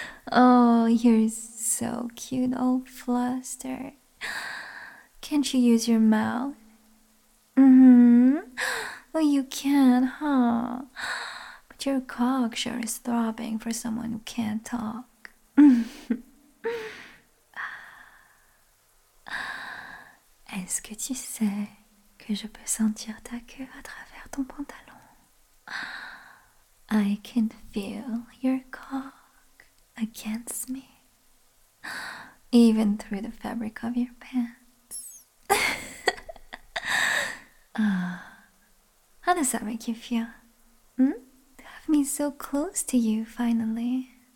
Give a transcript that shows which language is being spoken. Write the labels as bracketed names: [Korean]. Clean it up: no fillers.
[English] Oh, you're so cute, old Fluster. Can't you use your mouth? Well, you can, huh? But your cock sure is throbbing for someone who can't talk. [French] Est-ce que tu sais que je peux sentir ta queue à travers ton pantalon? [English] I can feel your cock against me, even through the fabric of your pants. How does that make you feel? To have me so close to you, finally.